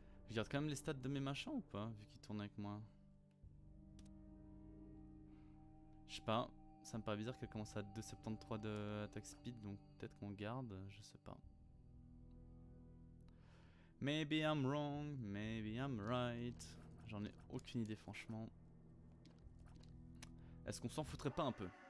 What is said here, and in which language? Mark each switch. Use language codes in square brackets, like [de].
[fr] Je garde quand même les stats de mes machins ou pas, vu qu'ils tournent avec moi. Je sais pas, ça me paraît bizarre qu'elle commence à 2,73 de attack speed, donc peut-être qu'on garde, je sais pas. [en] Maybe I'm wrong, maybe I'm right. [fr] J'en ai aucune idée, franchement. Est-ce qu'on s'en foutrait pas un peu?